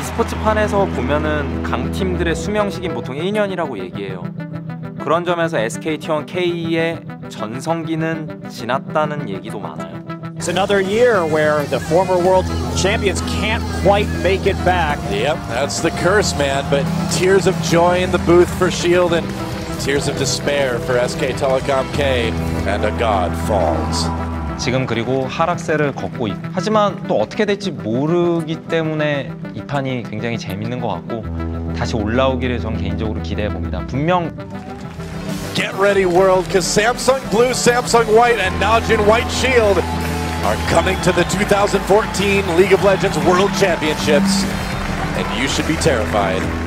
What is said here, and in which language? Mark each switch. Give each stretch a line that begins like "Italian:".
Korean: 스포츠판에서 보면은 강팀들의 수명식인 보통 1년이라고 얘기해요. 그런 점에서 SKT1K의 전성기는 지났다는 얘기도 많아요.
English: It's another year where the former world champions can't quite make it back. Yep, that's the curse, man. But tears of joy in the booth for Shield and tears of despair for SK Telecom K and a god falls.
Korean: 지금 그리고 하락세를 걷고 있고 하지만 또 어떻게 될지 모르기 때문에 이 판이 굉장히 재밌는 것 같고 다시 올라오기를 전 개인적으로 기대해 봅니다. 분명
English: Get ready world cuz Samsung Blue, Samsung White and Najin White Shield are coming to the 2014 League of Legends World Championships and you should be terrified.